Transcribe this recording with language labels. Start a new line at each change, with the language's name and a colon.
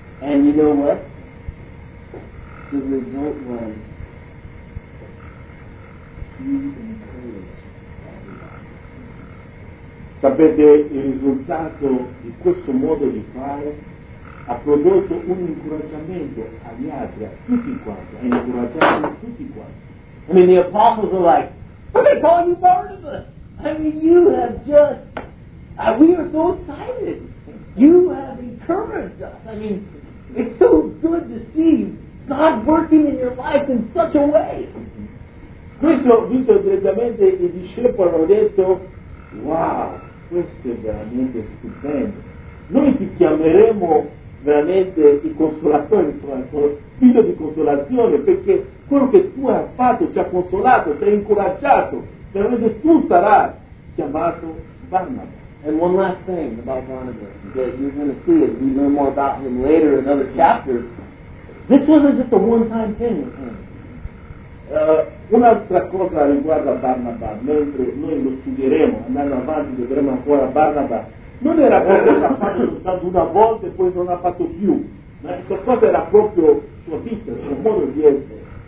English: And you know what? The result was, he encouraged everybody.
Italian: Sapete, il risultato di questo modo di fare ha prodotto un incoraggiamento agli altri, a tutti quanti, ha incoraggiato tutti quanti.
English: I mean, the apostles are like, what are they calling you, Barnabas? I mean, you have just, we are so excited. You have encouraged us. I mean, it's so good to see God working in your life in such a way.
Italian: Questo visto direttamente i discepoli hanno detto, wow, questo è veramente stupendo. Noi ti chiameremo veramente i consolatori, figlio di consolazione, perché quello che tu hai fatto ci ha consolato, ci ha incoraggiato, veramente tu sarai chiamato Barnabas.
English: And one last thing about Barnabas that you're going to see as we learn more about him later in other chapters, this wasn't just a one-time thing with him.
Italian: Un'altra cosa riguarda Barnaba, mentre noi lo studieremo, andando avanti vedremo ancora Barnaba, non era qualcosa fatto soltanto una volta e poi non ha fatto più, ma questa cosa era proprio sua vita, suo modo di essere.